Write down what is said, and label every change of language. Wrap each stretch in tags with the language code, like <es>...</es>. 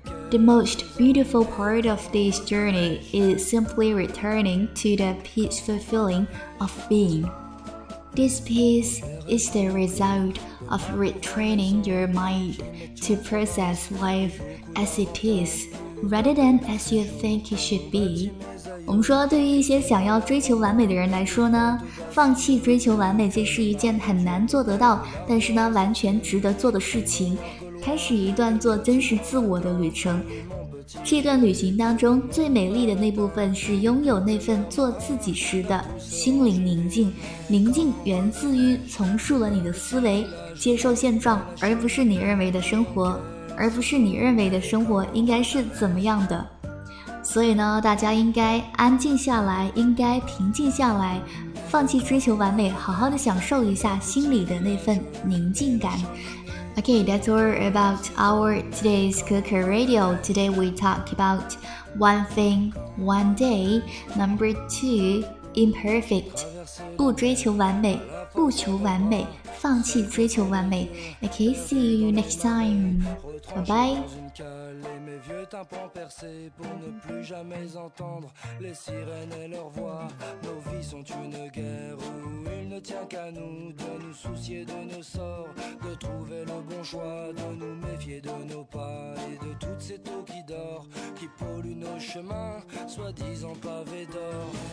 <en>The most beautiful part of this journey is simply returning to the peaceful feeling of being. This peace is the result of retraining your mind to process life as it is, rather than as you think it should be.</en> <zh>我们说对于一些想要追求完美的人来说呢，放弃追求完美这是一件很难做得到，但是呢，完全值得做的事情。开始一段做真实自我的旅程，这段旅行当中最美丽的那部分是拥有那份做自己时的心灵宁静。宁静源自于重塑了你的思维，接受现状，而不是你认为的生活，而不是你认为的生活应该是怎么样的。所以呢，大家应该安静下来，应该平静下来，放弃追求完美，好好的享受一下心里的那份宁静感。</zh> <en>Okay, that's all about our today's Keke Radio. Today we talk about one thing, one day. Number two, imperfect.</en> <zh>不追求完美，不求完美，放弃追求完美。</zh> <en>Okay, see you next time. Bye bye.</en> <fr>Les mes vieux tympans percés pour ne plus jamais entendre les sirènes et leurs voix. Nos vies sont une guerre où il ne tient qu'à nous de nous soucier de nos sorts, de trouver le bon choix, de nous méfier de nos pas et de toute cette eau qui dort, qui pollue nos chemins, soi-disant pavés d'or.</fr>